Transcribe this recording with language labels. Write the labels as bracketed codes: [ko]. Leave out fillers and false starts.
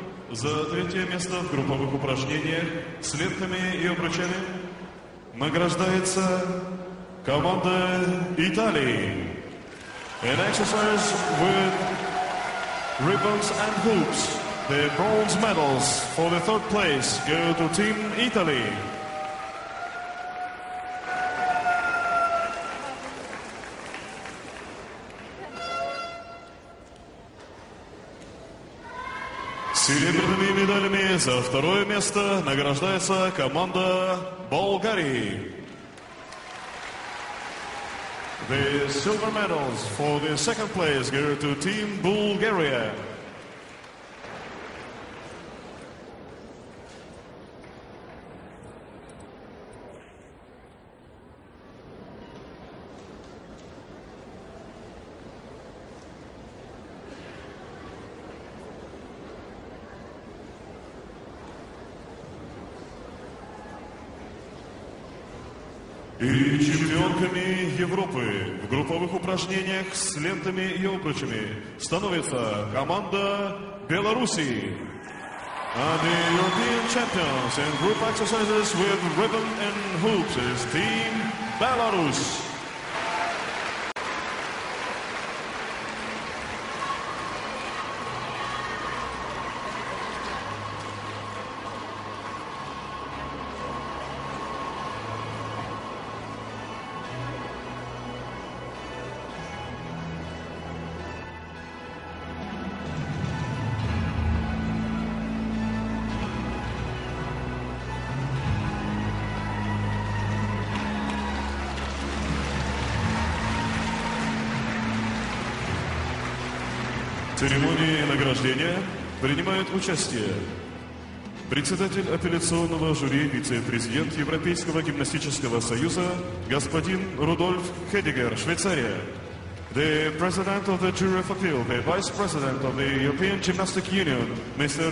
[ru] За третье место в групповых упражнениях с лентами и обручами награждается команда Италии. [en] In exercise with ribbons and hoops, the bronze medals for the third place go to Team Italy. [ru] Серебряными медалями за второе место награждается команда Болгарии. [en] The silver medals for the second place go to Team Bulgaria. [ru] И чемпионками Европы в групповых упражнениях с лентами и обручами становится команда Белоруссии. [en] And the European champions in group exercises with ribbon and hoops is Team Belarus. [ru] В церемонии награждения принимают участие председатель апелляционного жюри, вице-президент Европейского гимнастического союза господин Рудольф Хедигер, Швейцария. [en] The president of the jury of appeal, the vice president of the European Gymnastic Union, Mr.